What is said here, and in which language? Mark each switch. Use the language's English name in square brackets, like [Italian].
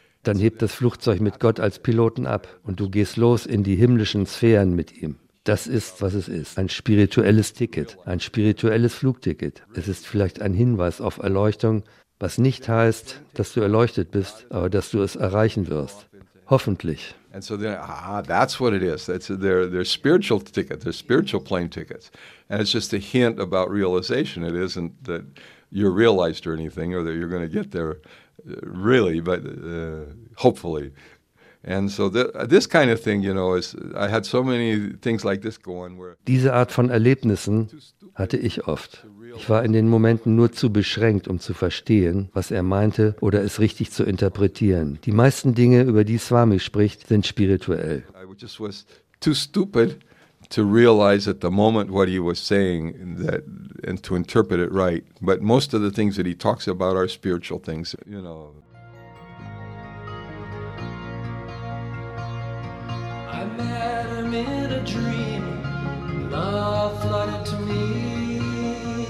[German] Dann hebt das Flugzeug mit Gott als Piloten ab und du gehst los in die himmlischen Sphären mit ihm. Das ist, was es ist. Ein spirituelles Ticket, ein spirituelles Flugticket. Es ist vielleicht ein Hinweis auf Erleuchtung, was nicht heißt, dass du erleuchtet bist, aber dass du es erreichen wirst. Hoffentlich. [English] And so then, that's what it is. That's their spiritual ticket, their spiritual plane tickets. And it's just a hint about realization. It isn't that you're realized or anything or that you're going to get there really, but hopefully. And so this kind of thing, you know, is I had so many things like this going where [German] diese Art von Erlebnissen hatte ich oft. Ich war in den Momenten nur zu beschränkt, um zu verstehen, was er meinte oder es richtig zu interpretieren. Die meisten Dinge, über die Swami spricht, sind spirituell. [English] I just was too stupid to realize at the moment what he was saying that and to interpret it right. But most of the things that he talks about are spiritual things, you know. I met him in a dream, love flooded to me.